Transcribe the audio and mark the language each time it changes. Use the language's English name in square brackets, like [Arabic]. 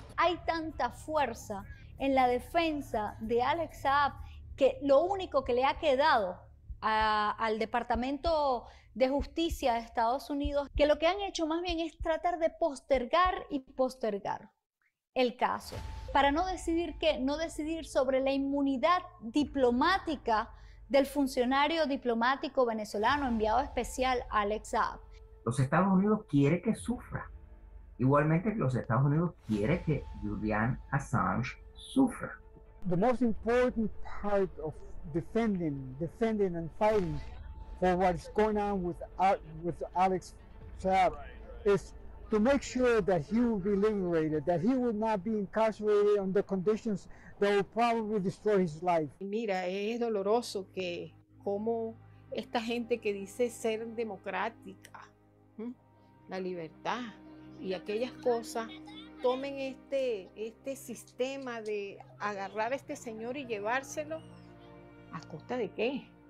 [Spanish] Hay tanta fuerza en la defensa de Alex Saab que lo único que le ha quedado al Departamento de Justicia de Estados Unidos, que lo que han hecho más bien es tratar de postergar y postergar el caso, para no decidir qué, no decidir sobre la inmunidad diplomática del funcionario diplomático venezolano enviado especial Alex Saab. Los Estados Unidos quiere que sufra, igualmente que los Estados Unidos quiere que Julian Assange sufra. [English] The most important part of defending and fighting for what's going on with Alex Saab is to make sure that he will be liberated, that he will not be incarcerated under conditions that will probably destroy his life. [Spanish] Mira, es doloroso que como esta gente que dice ser democrática, la libertad y aquellas cosas, tomen este sistema de agarrar a este señor y llevárselo, ¿a costa de qué?